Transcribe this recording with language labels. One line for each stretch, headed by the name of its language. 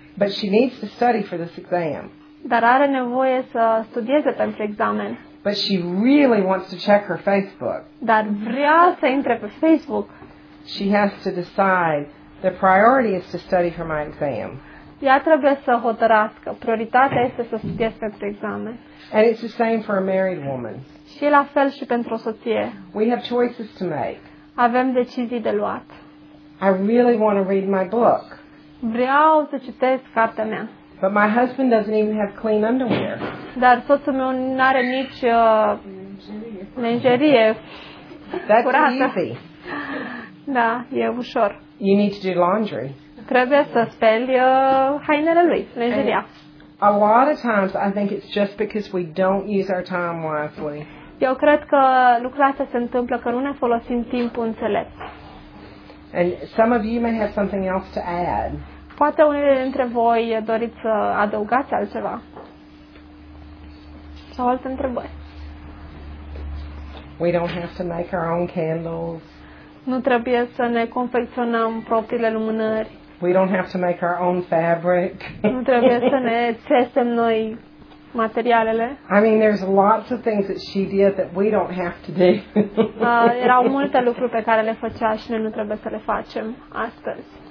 English: But she needs to study for this exam.
Romanian: Dar are nevoie să studieze pentru examen.
English: But she really wants to check her Facebook.
Romanian: Dar vrea să intre pe Facebook.
English: She has to decide the priority is to study for my exam.
Romanian: Ea trebuie să hotărască. Prioritatea este să studieze pentru examen.
English: And it's the same for a married woman.
Romanian: Și la fel și pentru o soție.
English: We have choices to make.
Romanian: Avem decizii de luat.
English: I really want to read my book.
Romanian: Vreau să citesc cartea mea.
English: But my husband doesn't even have clean underwear.
Romanian: Dar soțul meu n-are nici menjerie curată. Da, e ușor.
English: You need to do laundry.
Romanian: Trebuie să speli hainele lui, menjeria.
English: A lot of times I think it's just because we don't use our time wisely.
Romanian: Eu cred că lucrurile astea se întâmplă că nu ne folosim timpul înțelept.
English: And some of you may have something else to add.
Romanian: Poate unele dintre voi doriți să adăugați altceva. Sau alte întrebări.
English: We don't have to make our own candles.
Romanian: Nu trebuie să ne confecționăm propriile lumânări.
English: We don't have to make our own fabric.
Romanian: Nu trebuie să ne țesem noi materialele.
English: I mean, there's lots of things that she did that we don't have to do.
Romanian: Erau multe lucruri pe care le făcea și noi nu trebuie să le facem astăzi.